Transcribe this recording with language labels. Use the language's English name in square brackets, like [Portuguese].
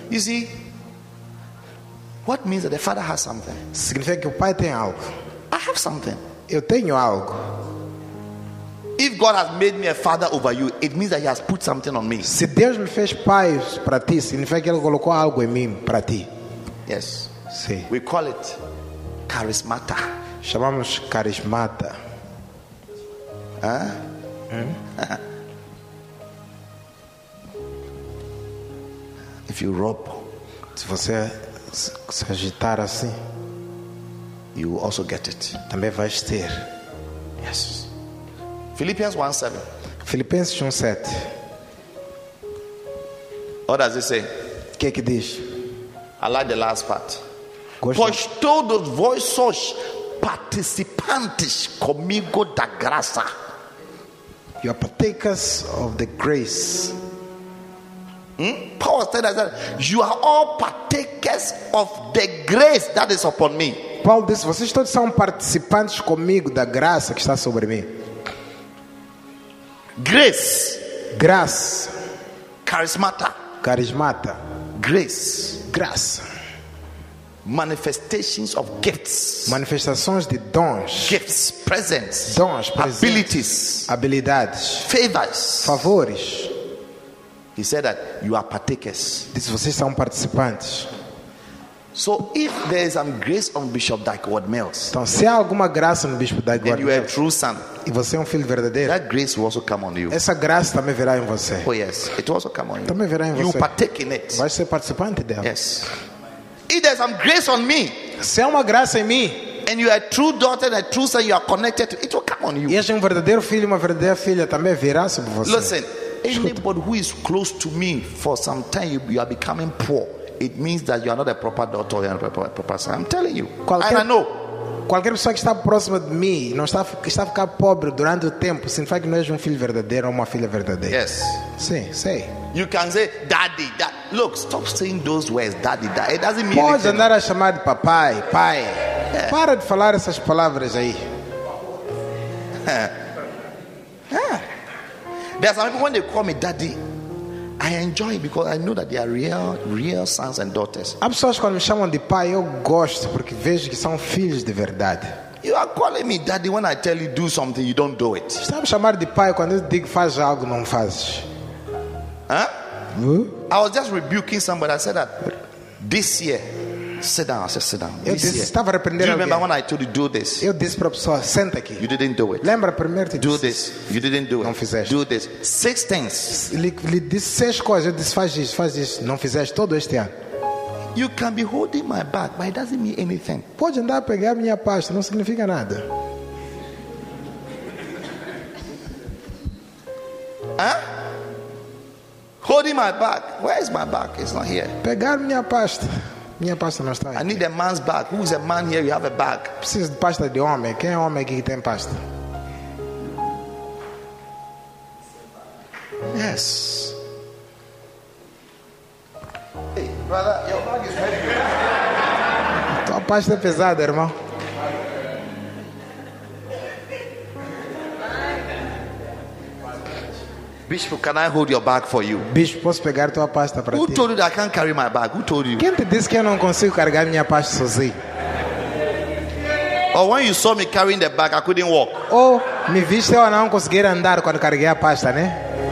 [English] You see, what means that the father has something? [Portuguese] Significa que o pai tem algo. [English] I have something. [Portuguese] Eu tenho algo. [English] If God has made me a father over you, it means that He has put something on me. [Portuguese] Se Deus me fez pai para ti, significa que Ele colocou algo em mim para ti. [English] Yes. [Portuguese] Sim. [English] We call it charismata. [Portuguese] Chamamos carismata. Ah? [English] If you rub, [Portuguese] se você se agitar assim, [English] you also get it. [Portuguese] Também vai ter. [English] Yes. Philippians 1:7. [Portuguese] Filipenses 1:7. [English] What does it say? [Portuguese] Que é que diz? [English] I like the last part. [Portuguese] Gosto. Pois todos vós sois participantes comigo da graça. [English] You are partakers of the grace. Paul said that you are all partakers of the grace that is upon me. [Portuguese] Paul disse, vocês todos são participantes comigo da graça que está sobre mim. [English] Grace, [Portuguese] graça. [English] Charismata, [Portuguese] carismata. [English] Grace, [Portuguese] graça. [English] Manifestations of gifts, [Portuguese] manifestações de dons. [English] Gifts, presents, [Portuguese] dons. [English] Presents. Abilities, [Portuguese] habilidades. [English] Favors, [Portuguese] favores. [English] He said that you are partakers. [Portuguese] Diz, vocês são participantes. [English] So if there is some grace on Bishop Dagwood Mills, [Portuguese] então se há alguma graça no Bispo Dagwood Mills, [English] then you are a true son. [Portuguese] E você é filho verdadeiro. [English] That grace will also come on you. [Portuguese] Essa graça também virá em você. [English] Oh yes, it will also come on you. [Portuguese] Também virá em [English] you [Portuguese] você. [English] You partake in it. [Portuguese] Vai ser participante dela. [English] Yes. If there is some grace on me, [Portuguese] se há uma graça em mim, [English] and you are a true daughter and a true son, you are connected to it, will come on you. [Portuguese] E um verdadeiro filho, uma verdadeira filha também virá sobre você. [English] Listen, anybody who is close to me for some time, you are becoming poor. It means that you are not a proper daughter, you are not a proper son. I'm telling you. And I know. [Portuguese] Qualquer pessoa que está próxima de mim e não está, está a ficar pobre durante o tempo, significa que não és um filho verdadeiro ou uma filha verdadeira. [English] Yes. [Portuguese] Sim, sei. [English] You can say daddy, that. Look, stop saying those words, daddy, that. It doesn't mean [Portuguese] pode Pode andar a chamar de papai, pai. Yeah. Para de falar essas palavras aí. [English] There are some people, when they call me daddy, I enjoy it because I know that they are real, real sons and daughters. [Portuguese] Há pessoas quando me chamam de pai, eu gosto porque vejo que são filhos de verdade. [English] You are calling me daddy when I tell you do something, you don't do it. [Portuguese] Está a me chamar de pai quando eu digo faz algo, não fazes. [English] Huh? I was just rebuking somebody. I said that this year, sit down. I said sit down. [Portuguese] Eu disse, estava a repreender alguém. [English] Do you remember [Portuguese] alguém? [English] When I told you do this? [Portuguese] Eu disse para a pessoa, senta aqui. [English] You didn't do it. [Portuguese] Lembra primeiro que [English] do this. You didn't do [Portuguese] não it. Não fizeste. [English] Do this. Six things. [Portuguese] Lhe disse seis coisas. Eu disse faz isso. Não fizeste todo este ano. [English] You can be holding my back, but it doesn't mean anything. [Portuguese] Pode andar a pegar minha pasta, não significa nada. [English] Huh? Holding my back. Where is my back? It's not here. [Portuguese] Pegar minha pasta. Minha pasta não está aqui. [English] I need a man's back. Who is a man here? You have a back. [Portuguese] Preciso de pasta de homem. Quem é homem aqui que tem pasta? [English] Yes. Hey, brother, your bag is heavy. [Portuguese] Tua pasta é pesada, irmão. [English] Bishop, can I hold your bag for you? [Portuguese] Bishop, posso pegar tua pasta para [English] who [Portuguese] ti? [English] Who told you that I can't carry my bag? Who told you? [Portuguese] Quem te disse que eu não consigo carregar minha pasta sozinho? Or when you saw me carrying the bag, I couldn't walk. Oh, me viste eu não conseguir andar quando carreguei a pasta, né?